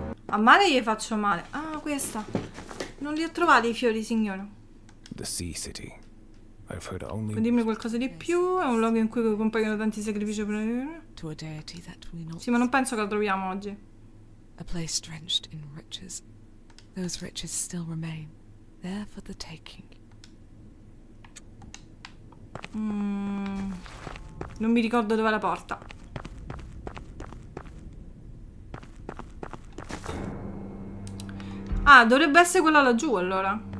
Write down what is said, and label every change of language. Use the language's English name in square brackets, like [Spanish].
[Italian] A male gli faccio male. Ah, questa. Non li ho trovati i fiori, signore. [English] The Sea City. I've heard only... [Italian] Dimmi qualcosa di più. È un luogo in cui compaiono tanti sacrifici per... [English] To a deity that we not... [Italian] Sì, ma non penso che lo troviamo oggi. [English] A place drenched in riches. Those riches still remain. There for the taking. [Italian] Non mi ricordo dove è la porta. Ah, dovrebbe essere quella laggiù, allora.